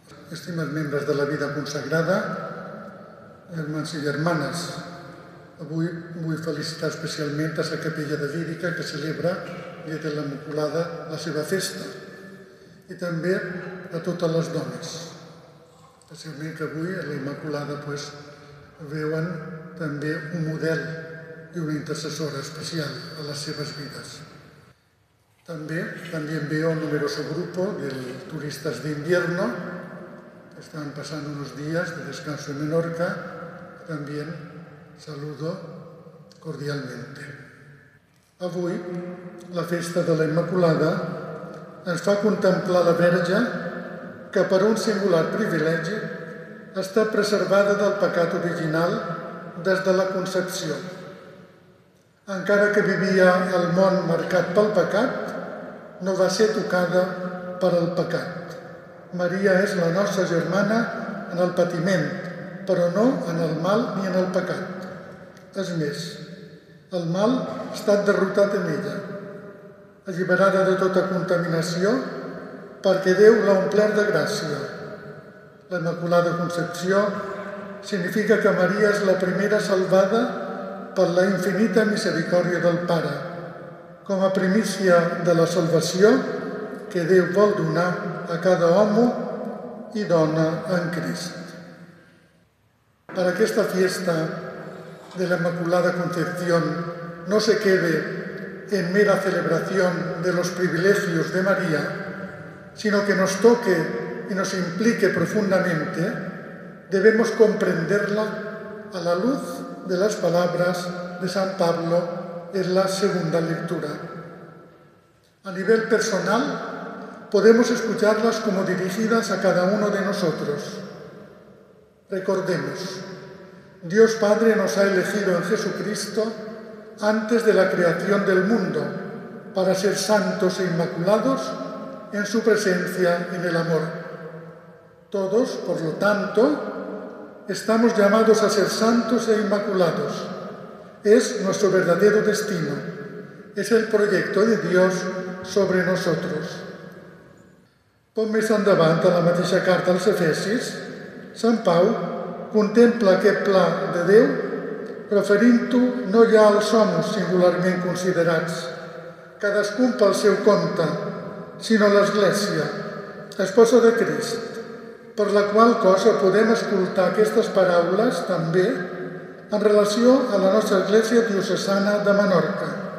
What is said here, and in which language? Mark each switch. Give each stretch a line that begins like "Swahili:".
Catalan: Estimats membres de la vida consagrada, germans i germanes, avui vull felicitar especialment a la capella de Vídica que celebra dia de l'Immaculada la seva festa i també a totes les dones, especialment que avui a la Immaculada pues, veuen també un model i una intercessora especial a les seves vides.
Spanish: També veo un numeroso grupo de turistas de invierno que están pasando unos días de descanso en Menorca. También saludo cordialmente.
Catalan: Avui, la festa de la Immaculada ens fa contemplar la Verge que per un singular privilegi està preservada del pecat original des de la concepció. Encara que vivia el món marcat pel pecat, no va ser tocada per el pecat. Maria és la nostra germana en el patiment, però no en el mal ni en el pecat. És més, el mal ha estat derrotat en ella, alliberada de tota contaminació, perquè Déu l'ha omplert de gràcia. La Immaculada Concepció significa que Maria és la primera salvada per la infinita misericòrdia del Pare, com a primícia de la salvació que Déu vol donar a cada home i dona en Crist. Per aquesta
Spanish: fiesta de la Immaculada Concepción no se quede en mera celebración de los privilegios de María, sino que nos toque y nos implique profundamente, debemos comprenderla a la luz de las palabras de San Pablo en la segunda lectura. A nivel personal, podemos escucharlas como dirigidas a cada uno de nosotros. Recordemos, Dios Padre nos ha elegido en Jesucristo antes de la creación del mundo para ser santos e inmaculados en su presencia y en el amor. Todos, por lo tanto, estamos llamados a ser santos e inmaculados. Es nuestro verdadero destino, es el proyecto de Dios sobre nosotros.
Catalan: Poc més endavant, a la mateixa carta als Efesis, Sant Pau contempla aquest pla de Déu referint-ho no ja als homes singularment considerats, cadascun pel seu compte, sinó a l'Església, esposa de Crist, per la qual cosa podem escoltar aquestes paraules també en relació a la nostra Església Diocesana de Menorca.